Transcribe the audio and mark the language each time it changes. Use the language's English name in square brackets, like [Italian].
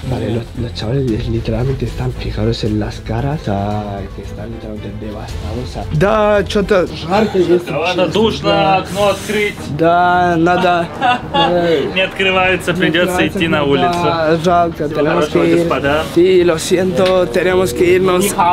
[Spanish] Vale, los chavales literalmente están, fijaros en las caras, que están literalmente devastados, o sea... [Russian] Да, что-то жарко есть. Ладно, душно, окно открыть. Да, надо... Не открывается, придется идти на улицу. Жалко, [Spanish] tenemos que ir. Sí, lo siento, tenemos que irnos.